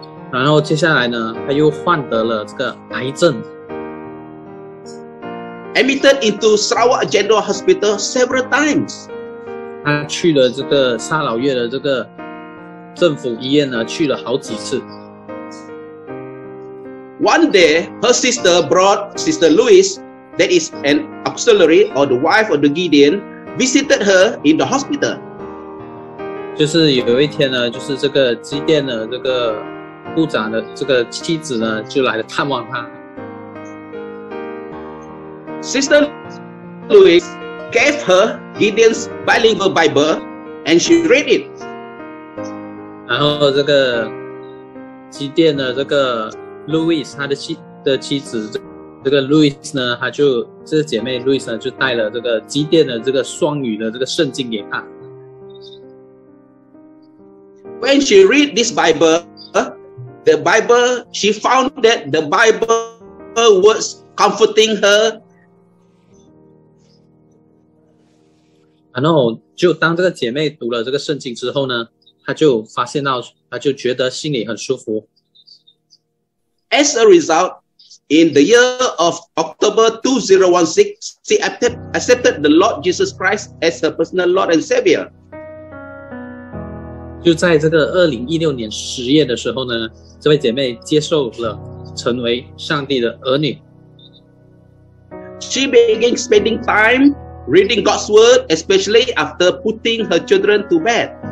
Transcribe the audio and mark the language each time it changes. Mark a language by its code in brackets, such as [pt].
[zh] 然后接下来呢她又患得了这个癌症。 [en] Admitted into Sarawak General Hospital several times. [zh] 她去了这个沙劳越的这个政府医院呢去了好几次。 [en] One day, her sister brought Sister Louise, that is an auxiliary or the wife of the Gideon, visited her in the hospital. [zh] 就是有一天呢，就是这个基甸的这个部长的这个妻子呢，就来探望他。 [en] Sister Louise gave her Gideon's bilingual Bible, and she read it. [zh] 然后这个基甸的这个Louis 他的 妻子这个 Louis 呢他就这个姐妹 Louis 呢就带了这个基甸的这个双语的这个圣经给他。 [en] When she read this Bible, the Bible, she found that the Bible was comforting her. [zh] 然后就当这个姐妹读了这个圣经之后呢他就发现到他就觉得心里很舒服。 [en] As a result, in the year of October 2016, she accepted the Lord Jesus Christ as her personal Lord and Savior. [zh] 就在这个2016年10月的时候呢，这位姐妹接受了成为上帝的儿女。 [en] She began spending time reading God's word, especially after putting her children to bed.